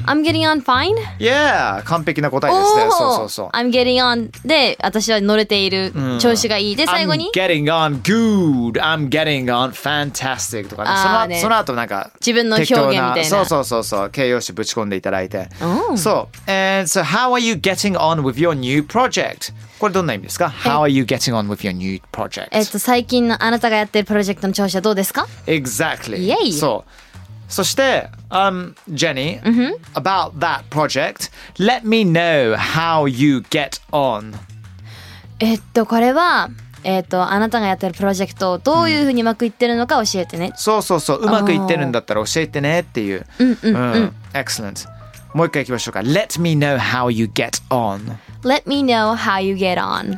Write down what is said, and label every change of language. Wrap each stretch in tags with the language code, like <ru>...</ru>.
<en>I'm getting on fine.</en> <ja>Yeah, 完璧な答えですね。そうそうそう。</ja> <en>I'm getting on</en> <ja>で、私は乗れている、うん、調子がいいで最後に。</ja> <en>I'm getting on good. I'm getting on fantastic</en> <ja>とかね。その、ね、その後なんか自分の表現みたいな。そうそうそうそう。形容詞ぶち込んでいただいて。 Oh.</ja> <en>So and so, how are you getting on with your new project?</en> <ja>これどんな意味ですか、はい、</ja> <en>How are you getting on with your new project?</en> <ja>最近のあなたがやってるプロジェクトの調子はどうですか</ja> <en>Exactly. Yay. So,</en> <ja>そして、</ja> <en>Jenny,、 mm-hmm. about that project, let me know how you get on.</en> <ja>これは、あなたがやってるプロジェクトをどういうふうにうまくいってるのか教えてね。うん、そうそうそう、うまくいってるんだったら教えてねっていう。うんうんうん。</ja> <en>Excellent.</en> <ja>もう一回いきましょうか。</ja> <en>Let me know how you get on. Let me know how you get on.</en>